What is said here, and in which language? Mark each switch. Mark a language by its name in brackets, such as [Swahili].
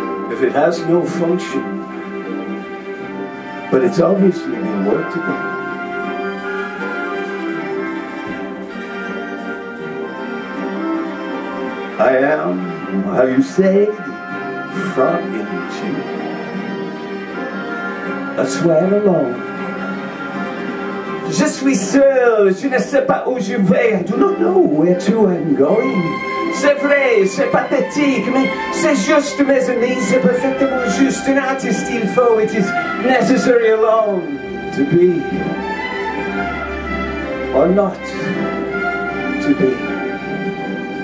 [English] If it has no function, but it's obviously been worked upon. I am, how you say, frog in the chimney. I swear alone. [French] Je suis seul, je ne sais pas où je vais. [English] I do not know where to I'm going. [French] C'est vrai, c'est pathétique, mais c'est juste, mes amis, c'est perfectement juste. [English] An artist, [French] il faut, [English] it is necessary alone to be or not to be.